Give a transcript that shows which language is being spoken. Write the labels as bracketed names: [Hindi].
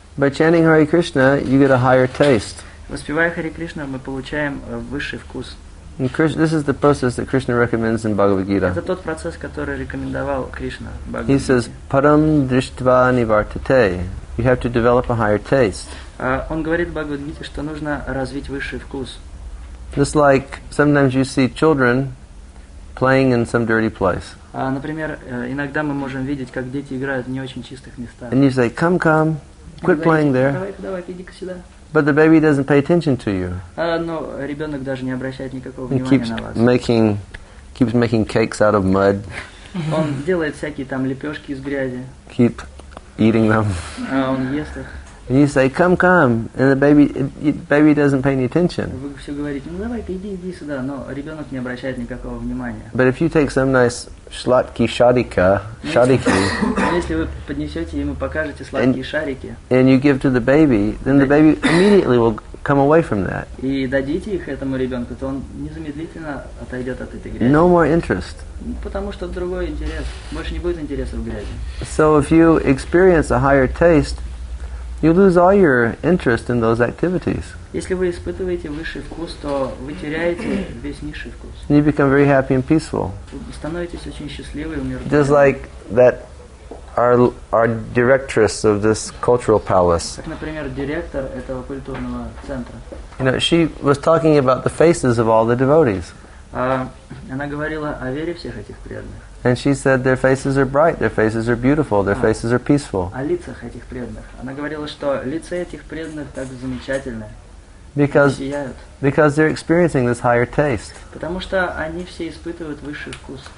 [English] By chanting Hare Krishna, you get a higher taste. [Russian] Воспевая Хари Кришна, мы получаем высший вкус. [English] This is the process that Krishna recommends in Bhagavad Gita. [Russian] Это тот процесс, который рекомендовал Кришна. [English] He says, [Sanskrit] "Param drishtva nivartate." [English] You have to develop a higher taste. [Russian] Он говорит в Бхагавад Гите, что нужно развить высший вкус. [English] Just like sometimes you see children playing in some dirty place. [Russian] Например, иногда мы можем видеть, как дети играют в не очень чистых местах. [English] And you say, "Come, quit playing there." [Russian] Давай, иди-ка сюда. [English] But the baby doesn't pay attention to you. [Russian] Но ребенок даже не обращает никакого внимания на вас. [English] Keeps making cakes out of mud. [Russian] Он делает всякие там лепешки из грязи. [English] Keep eating them. [Russian] Он ест их. [English] And you say, "Come," and the baby doesn't pay any attention. [Russian] Вы все говорите, давай-ка иди сюда, но ребенок не обращает никакого внимания. [English] But if you take some nice шарики. [Russian] Если вы поднесете ему, покажете сладкие шарики. [English] And you give to the baby, then the baby immediately will come away from that. [Russian] И дадите их этому ребенку, то он незамедлительно отойдет от этой грязи. [English] No more interest. [Russian] Потому что другой интерес, больше не будет интереса в грязи. [English] So if you experience a higher taste, you lose all your interest in those activities. [Russian] Если вы испытываете высший вкус, то вы теряете весь низший вкус. [English] You become very happy and peaceful. [Russian] Становитесь очень счастливы и умиротворены. [English] Just like that, our directress of this cultural palace. [Russian] Как, например, директор этого культурного центра. [English] You know, she was talking about the faces of all the devotees. [Russian] Она говорила о вере всех этих преданных. [English] And she said their faces are bright, their faces are beautiful, their faces are peaceful. [Russian] О лицах этих преданных. Она говорила, что лица этих преданных так замечательны. [English] Because they're experiencing this higher taste. [Russian] Потому что они все испытывают высший вкус.